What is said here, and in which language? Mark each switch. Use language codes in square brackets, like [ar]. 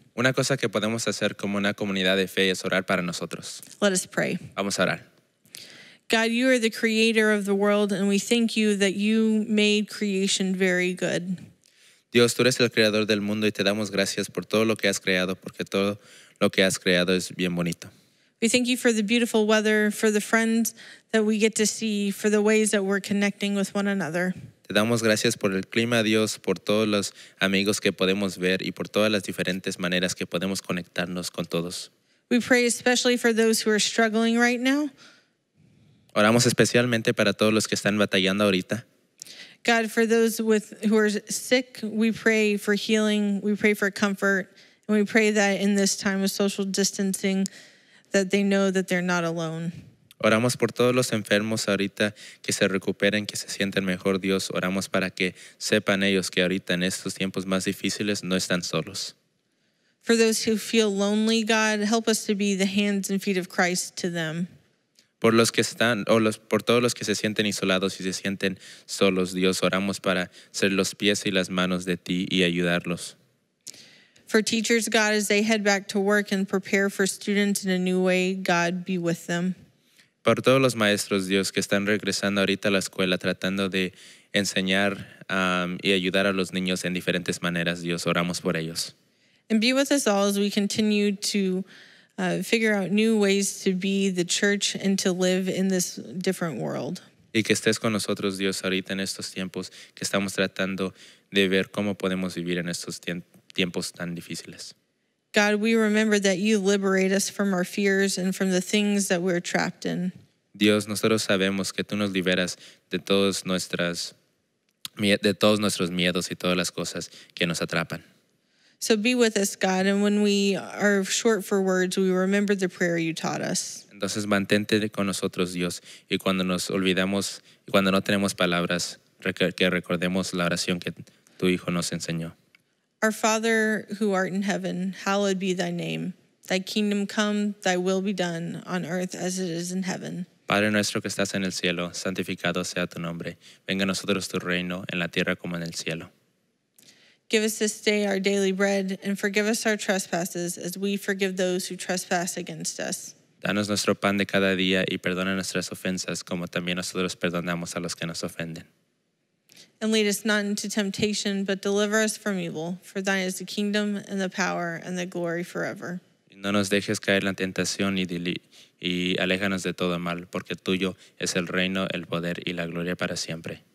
[es] Una cosa que podemos hacer como una comunidad de fe es orar para nosotros. [en] Let us pray. [es] Vamos a orar. [en] God, you are the creator of the world, and we thank you that you made creation very good. [es] Dios, tú eres el creador del mundo, y te damos gracias por todo lo que has creado, porque todo lo que has creado es bien bonito. [en] We thank you for the beautiful weather, for the friends that we get to see, for the ways that we're connecting with one another. [es] Te damos gracias por el clima, Dios, por todos los amigos que podemos ver y por todas las diferentes maneras que podemos conectarnos con todos. [en] We pray especially for those who are struggling right now. [es] Oramos especialmente para todos los que están batallando ahorita. [en] God, for those who are sick, we pray for healing, we pray for comfort, and we pray that in this time of social distancing, that they know that they're not alone. [es] Oramos por todos los enfermos ahorita que se recuperen, que se sienten mejor, Dios. Oramos para que sepan ellos que ahorita en estos tiempos más difíciles no están solos. [en] For those who feel lonely, God, help us to be the hands and feet of Christ to them. [es] Por los que están, por todos los que se sienten isolados y se sienten solos, Dios, oramos para ser los pies y las manos de ti y ayudarlos. [en] For teachers, God, as they head back to work and prepare for students in a new way, God, be with them. [es] Por todos los maestros, Dios, que están regresando ahorita a la escuela tratando de enseñar y ayudar a los niños en diferentes maneras, Dios, oramos por ellos. [en] And be with us all as we continue to figure out new ways to be the church and to live in this different world. [es] Y que estés con nosotros, Dios, ahorita en estos tiempos que estamos tratando de ver cómo podemos vivir en estos tiempos tan difíciles. [en] God, we remember that you liberate us from our fears and from the things that we're trapped in. [es] Dios, nosotros sabemos que tú nos liberas de todos nuestros miedos y todas las cosas que nos atrapan. [en] So be with us, God, and when we are short for words, we remember the prayer you taught us. [es] Entonces mantente con nosotros, Dios, y cuando nos olvidamos, cuando no tenemos palabras, que recordemos la oración que tu hijo nos enseñó. [en] Our Father who art in heaven, hallowed be thy name. Thy kingdom come, thy will be done on earth as it is in heaven. [es] Padre nuestro que estás en el cielo, santificado sea tu nombre. Venga a nosotros tu reino en la tierra como en el cielo. [en] Give us this day our daily bread and forgive us our trespasses as we forgive those who trespass against us. [es] Danos nuestro pan de cada día y perdona nuestras ofensas como también nosotros perdonamos a los que nos ofenden. [en] And lead us not into temptation, but deliver us from evil. For thine is the kingdom and the power and the glory forever. [es] Y no nos dejes caer en la tentación y aléjanos de todo mal, porque tuyo es el reino, el poder y la gloria para siempre.